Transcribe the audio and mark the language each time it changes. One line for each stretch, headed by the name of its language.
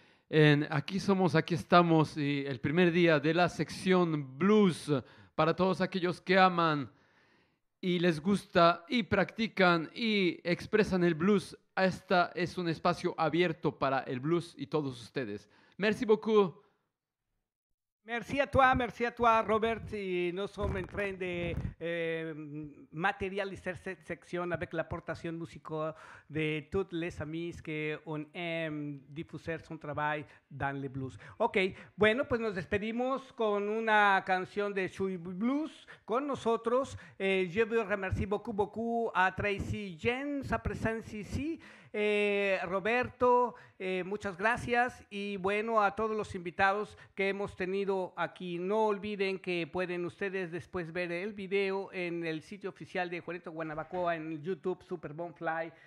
Spanish: En aquí somos, aquí estamos, y el primer día de la sección blues para todos aquellos que aman y les gusta y practican y expresan el blues. Este es un espacio abierto para el blues y todos ustedes.
French: Merci beaucoup. Merci à toi, Robert. Y nous sommes en train de matérialiser cette section avec l'apportation musicale de tous les amis qui ont aimé diffuser son travail dans le blues.
Spanish: Ok, bueno, pues nos despedimos con una canción de Shui Blues con nosotros.
French: Je veux remercier beaucoup à Tracy Jen, sa présence ici.
Spanish: Roberto, muchas gracias, y bueno, a todos los invitados que hemos tenido aquí. No olviden que pueden ustedes después ver el video en el sitio oficial de Juanito Guanabacoa en YouTube, Super Bonfly.